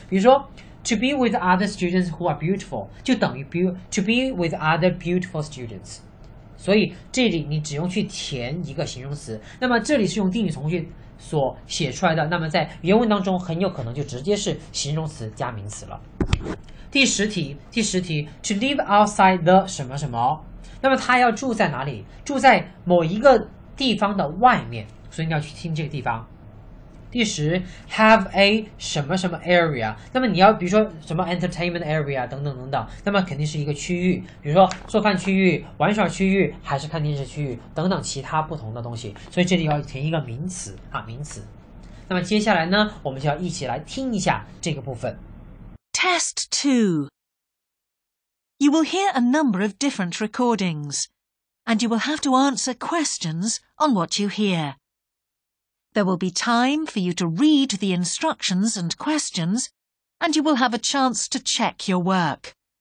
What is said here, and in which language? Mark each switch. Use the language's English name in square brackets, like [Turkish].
[Chinese] 比如说 [English] to be with other students who are beautiful [Chinese] 就等于 [English] to be with other beautiful students。 [Chinese] 所以这里你只用去填一个形容词。那么这里是用定语从句。所写出来的，那么在原文当中很有可能就直接是形容词加名词了。第十题 [English] to live outside the [Chinese] 什么什么，那么他要住在哪里？住在某一个地方的外面，所以你要去听这个地方。第十 [English] have a [Chinese] 什么什么 area， 那么你要比如说什么 entertainment area 等等等等，那么肯定是一个区域，比如说做饭区域、玩耍区域还是看电视区域等等其他不同的东西，所以这里要填一个名词啊，名词。那么接下来呢，我们就要一起来听一下这个部分。 [English] Test 2 You will hear a number of different recordings and you will have to answer questions on what you hearThere will be time for you to read the instructions and questions, and you will have a chance to check your work.